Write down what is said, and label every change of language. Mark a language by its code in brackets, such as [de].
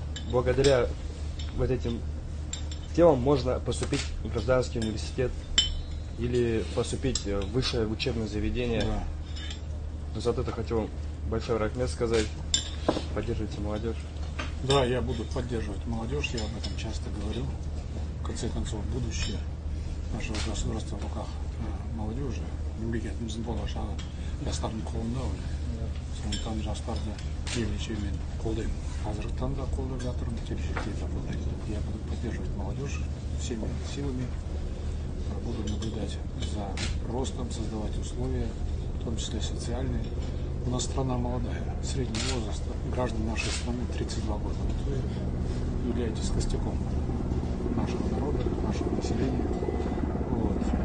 [ru] Благодаря вот этим делам можно поступить в гражданский университет или поступить в высшее учебное заведение. Да. За это хочу большое рахмет сказать. Поддерживайте молодежь. Да, я буду поддерживать молодежь, я об этом часто говорю. В конце концов, будущее нашего государства в руках молодежи. [kk] Мемлекетіміздің болашағы жастардың қолында ғой. Сондықтан жастарды ерекше мен қолдаймын. Қазіргі таңда қолдап жатырмын, келешекте де қолдаймын. [ru] Я буду поддерживать молодежь всеми силами. Буду наблюдать за ростом, создавать условия, в том числе социальные. У нас страна молодая, средний возраст. Граждан нашей страны 32 года. Вот вы являетесь костяком нашего народа, нашего населения. Вот.